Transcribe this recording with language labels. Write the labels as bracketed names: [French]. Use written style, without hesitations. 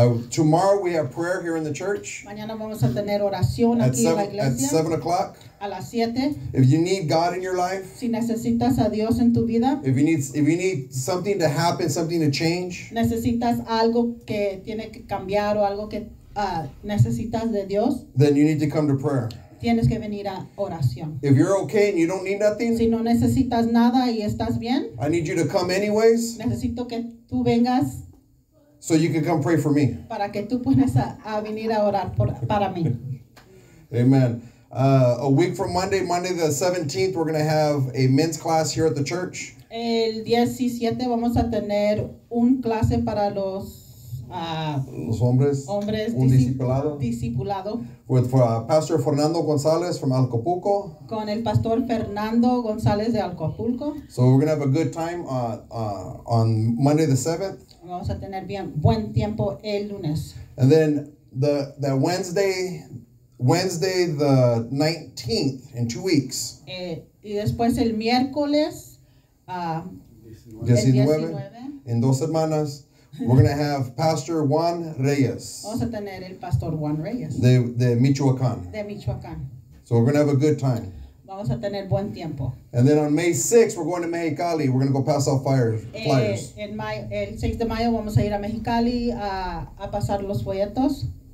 [English] Tomorrow we have prayer here in the church. [Spanish] Mañana vamos a tener oración aquí en la iglesia. [English] At 7 o'clock. [Spanish] A las 7. [English] If you need God in your life. [Spanish] Si necesitas a Dios en tu vida. [English] If you need something to happen, something to change. [Spanish] Necesitas algo que tiene que cambiar o algo que necesitas de Dios. [English] Then you need to come to prayer. [Spanish] Tienes que venir a oración. [English] If you're okay and you don't need nothing. [Spanish] Si no necesitas nada y estás bien. [English] I need you to come anyways. [Spanish] Necesito que tú vengas. [English] So you can come pray for me. [Spanish] Para que tú puedas a venir a orar para mí. [English] Amen. A week from Monday the 17th, we're going to have a men's class here at the church. [Spanish] El 17 vamos a tener un clase para los hombres un discipulado. [English] With Pastor Fernando González from Alcapulco. [Spanish] Con el Pastor Fernando González de Alcapulco. [English] So we're going to have a good time on Monday the 7th. [Spanish] Vamos a tener bien buen tiempo el lunes. [English] And then the Wednesday the 19th in 2 weeks. [Spanish] Y después el miércoles 19 en dos semanas. [English] We're going to have Pastor Juan Reyes. [Spanish] Vamos a tener el Pastor Juan Reyes. De Michoacán. De Michoacán. [English] So we're going to have a good time. [Spanish] Vamos a tener buen tiempo. [English] And then on May 6th, we're going to Mexicali. We're going to go pass out flyers. [Spanish] El 6 de mayo vamos a ir a Mexicali a pasar los folletos.